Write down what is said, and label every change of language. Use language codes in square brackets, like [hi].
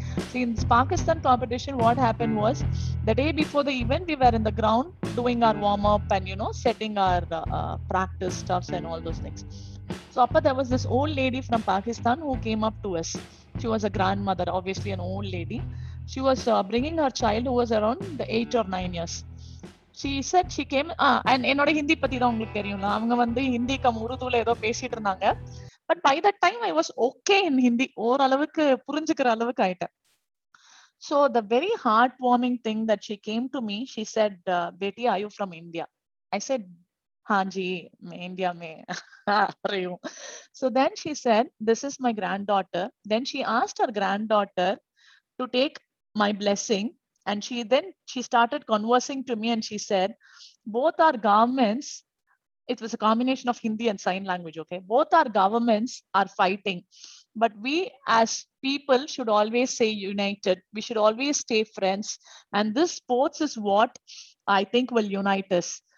[en] Like, see, in this Pakistan competition what happened was the day before the event we were in the ground doing our warm-up and, you know, setting our practice stuffs and all those things. So appa there was this old lady from Pakistan who came up to us. She was a grandmother, obviously an old lady. She was bringing her child who was around the 8 or 9 years. She said she came and [ta] என்னோட ஹிந்தி பத்தி தான் உங்களுக்கு தெரியும்ல, அவங்க வந்து Hindi come உருதுல ஏதோ பேசிட்டு இருந்தாங்க. [en] but by that time I was okay in Hindi, [ta] ஓரளவுக்கு புரிஞ்சுக்கிற அளவுக்கு ஆயிட்டேன். [en] So the very heart warming thing that she came to me, she said, பேட்டி are you from India? I said [hi] Haji India மே [en] அறியும். So then she said this is my granddaughter. Then she asked her granddaughter to take my blessing. And she started conversing to me and she said, both our governments, it was a combination of Hindi and sign language, okay, both our governments are fighting But we as people should always stay united. We should always stay friends. And this sports is what I think will unite us.